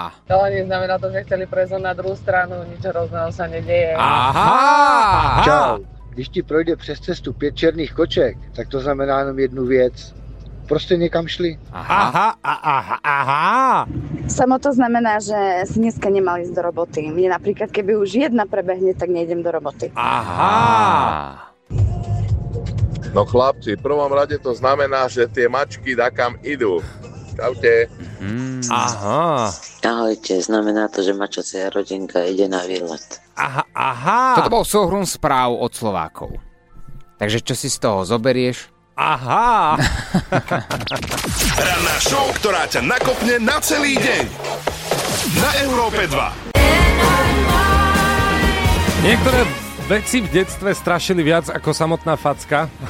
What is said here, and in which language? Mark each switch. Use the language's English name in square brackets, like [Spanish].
[Slovak] To nie znamená to, že chceli prezoť na druhú stranu, nič hrozného sa nedieje. Aha. [Czech] Čau, když ti projde přes cestu 5 černých koček, tak to znamená jenom jednu věc. [Slovak] Proste niekam šli. Aha, aha, aha, aha. Samo to znamená, že si dneska nemal ísť do roboty. Mne napríklad, keby už jedna prebehne, tak nejdem do roboty. Aha. No chlapci, v prvom rade to znamená, že tie mačky dakam idú. Čaute. Aha. Ahojte, znamená to, že mačacia rodinka ide na výlet. Aha, aha. Toto bol súhrn správ od Slovákov. Takže čo si z toho zoberieš? Aha! Ranná show, ktorá ťa nakopne na celý deň. Na Európe 2. Niektoré veci v detstve strašili viac ako samotná facka.